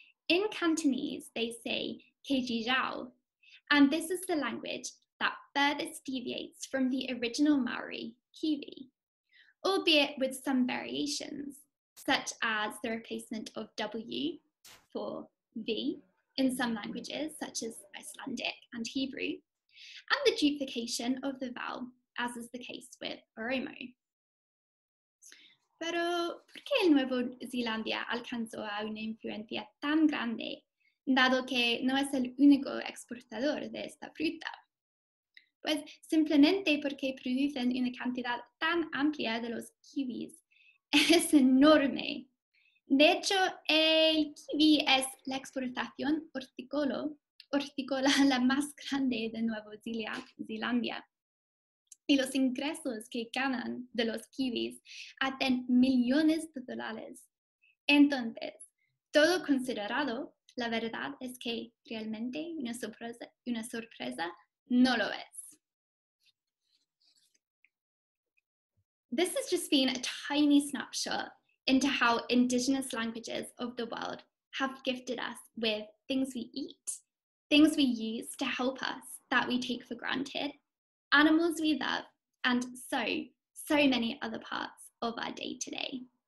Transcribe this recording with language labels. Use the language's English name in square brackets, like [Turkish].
[English] In Cantonese, they say kejijao, and this is the language that furthest deviates from the original Maori kiwi, albeit with some variations, such as the replacement of W for V in some languages, such as Icelandic and Hebrew, and the duplication of the vowel, as is the case with Oromo. [Spanish] Pero, ¿por qué Nueva Zelanda alcanzó a una influencia tan grande, dado que no es el único exportador de esta fruta? pues simplemente porque producen una cantidad tan amplia de los kiwis. Es enorme. De hecho, el kiwi es la exportación hortícola la más grande de Nueva Zelanda. Y los ingresos que ganan de los kiwis hacen millones de dólares. Entonces, todo considerado, la verdad es que realmente una sorpresa no lo es. [English] This has just been a tiny snapshot into how indigenous languages of the world have gifted us with things we eat, things we use to help us that we take for granted, animals we love, and so many other parts of our day to day.